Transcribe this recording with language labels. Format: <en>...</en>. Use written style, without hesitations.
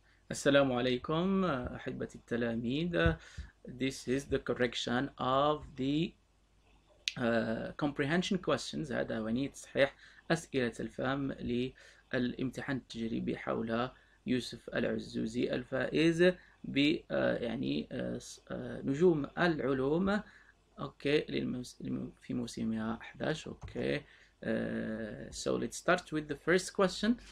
<ar>السلام عليكم أحبتي التلاميذ.</ar> <en>This is the correction of the comprehension questions.</en> <ar>هذا وني تصحيح أسئلة الفهم للامتحان التجريبي حول يوسف العزوزي الفائز ب يعني نجوم العلوم اوكي في موسمها 11.</ar> <en>Okay so let's start with the first question.</en>